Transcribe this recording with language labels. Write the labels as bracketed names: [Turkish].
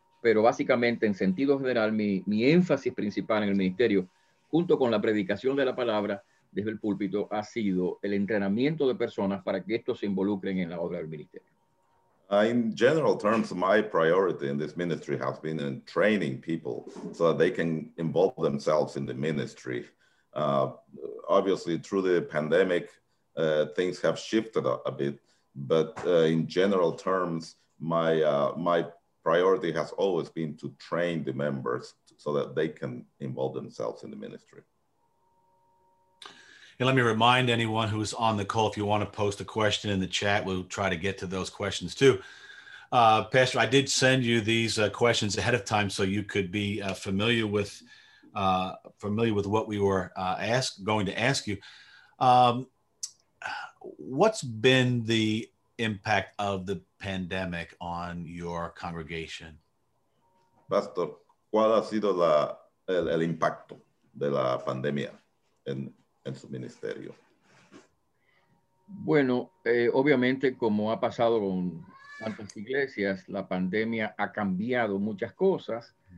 [Spanish] Pero básicamente, en sentido general, mi énfasis principal en el ministerio, junto con la predicación de la palabra desde el púlpito, ha sido el entrenamiento de personas para que estos se involucren en la obra del ministerio. [English] In general terms, my priority in this ministry has been in training people so that they can involve themselves in the ministry. Obviously, through the pandemic, things have shifted a bit, but in general terms, my priority has always been to train the members so that they can involve themselves in the ministry. And let me remind anyone who's on the call, if you want to post a question in the chat, we'll try to get to those questions too. Pastor, I did send you these questions ahead of time so you could be familiar with what we were going to ask you. What's been the impact of the pandemic on your congregation? [Spanish] Pastor, ¿cuál ha sido el impacto de la pandemia en su ministerio? Bueno, obviamente, como ha pasado con tantas iglesias, la pandemia ha cambiado muchas cosas.